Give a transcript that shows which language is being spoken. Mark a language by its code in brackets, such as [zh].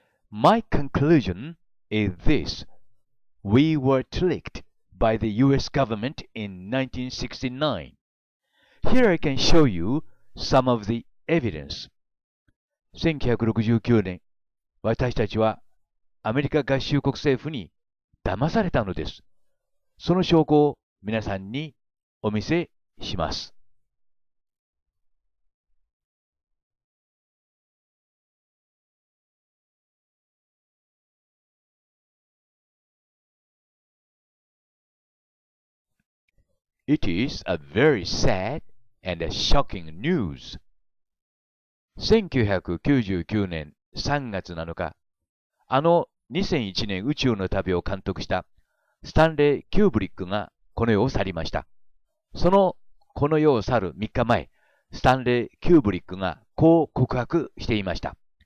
[en] My conclusion is this. We were tricked by the US government in 1969. Here I can show you some of the evidence. [ja] 1969年、私たちはアメリカ合衆国政府に騙されたのです。その証拠を皆さんにお見せします。 [en] It is a very sad and a shocking news. [ja] 1999年3月7日、あの2001年宇宙の旅を監督したスタンレー・キューブリックがこの世を去りました。そのこの世を去る3日前、スタンレー・キューブリックがこう告白していました。